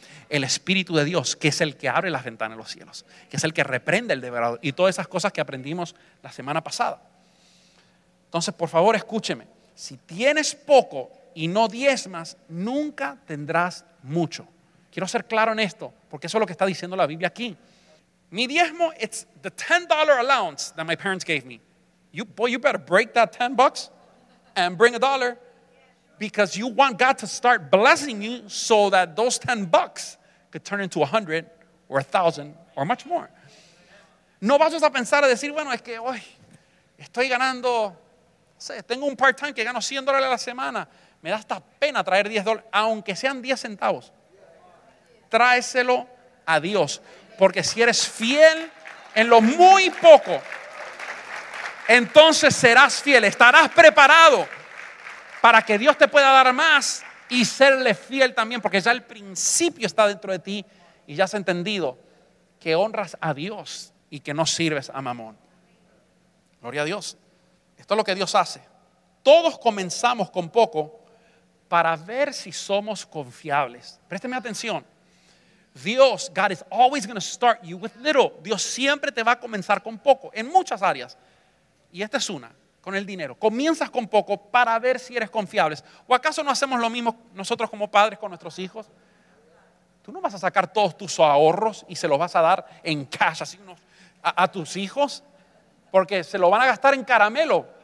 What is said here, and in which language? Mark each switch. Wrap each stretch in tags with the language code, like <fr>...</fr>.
<es>El Espíritu de Dios, que es el que abre las ventanas de los cielos, que es el que reprende el devorador y todas esas cosas que aprendimos la semana pasada. Entonces, por favor, escúcheme. Si tienes poco y no diezmas, nunca tendrás mucho. Quiero ser claro en esto, porque eso es lo que está diciendo la Biblia aquí. Mi diezmo,</es> <en>it's the $10 allowance that my parents gave me. You better break that $10 and bring a dollar, because you want God to start blessing you so that those $10 could turn into 100 or 1,000 or much more.</en> <es>No vayas a pensar a decir: bueno, es que hoy estoy ganando, tengo un part-time que gano $100 a la semana. Me da hasta pena traer $10, aunque sean 10 centavos. Tráeselo a Dios, porque si eres fiel en lo muy poco, entonces serás fiel, estarás preparado para que Dios te pueda dar más y serle fiel también, porque ya el principio está dentro de ti y ya has entendido que honras a Dios y que no sirves a mamón. Gloria a Dios. Esto es lo que Dios hace. Todos comenzamos con poco para ver si somos confiables. Présteme atención.</es> <en>Dios, God is always going to start you with little.</en> <es>Dios siempre te va a comenzar con poco, en muchas áreas. Y esta es una, con el dinero. Comienzas con poco para ver si eres confiable. ¿O acaso no hacemos lo mismo nosotros como padres con nuestros hijos? Tú no vas a sacar todos tus ahorros y se los vas a dar en cash así a tus hijos, porque se lo van a gastar en caramelo.</es>